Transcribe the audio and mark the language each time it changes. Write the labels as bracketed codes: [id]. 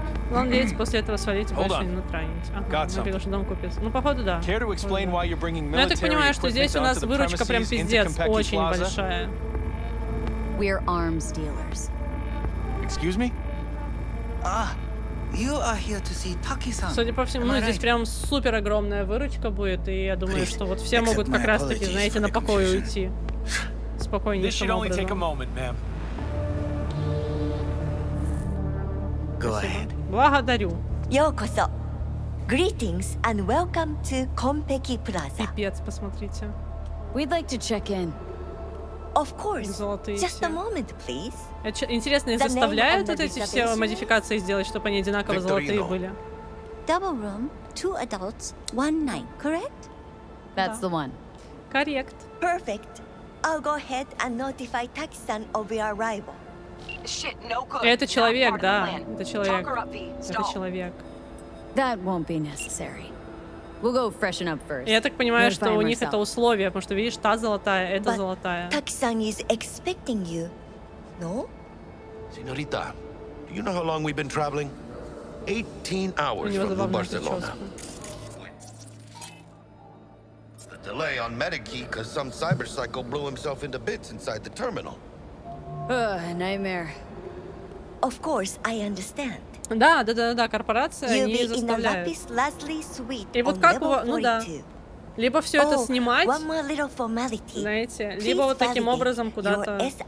[ru] Главное, дети после этого свалить и больше не натранить. Ага, ну, походу, да. Ну, я так понимаю, что здесь у нас выручка прям пиздец, очень большая. Мы [en] arms dealers. Excuse me? Ah, you are here to see Taki-san. [ru] Судя по всему, ну, здесь прям супер огромная выручка будет, и я думаю, что вот все могут как раз-таки, знаете, на покой уйти. Спокойнейшим образом. Благодарю. [en] Yokoso. Greetings and welcome to Konpeki Plaza. [ru] Пипец, посмотрите. [en] We'd like to check in. Of course. [ru] Золотые. [en] Just a moment, please. [ru] Интересно, заставляют вот эти все модификации сделать, чтобы они одинаково золотые были. [en] Double room, two adults, one night, correct? That's the one. Correct. Perfect. I'll go ahead and notify Taki-san of your arrival. Shit, no good. [ru] Это человек, да. Это человек. [en] That won't be necessary. We'll go freshen up first. [ru] Я так понимаю, что у них это условие, потому что видишь, та золотая, эта золотая. [en] Taki-san is expecting you. No? Señorita, do you know how long we've been traveling? 18 hours from Barcelona. The delay on Medici because some cybercycle blew himself into bits inside the terminal. A nightmare. Of course, I understand. [ru] Да, да, да, да, корпорация не заставляет. И вот как его, ну да. Либо все это снимать, знаете, либо вот таким образом куда-то.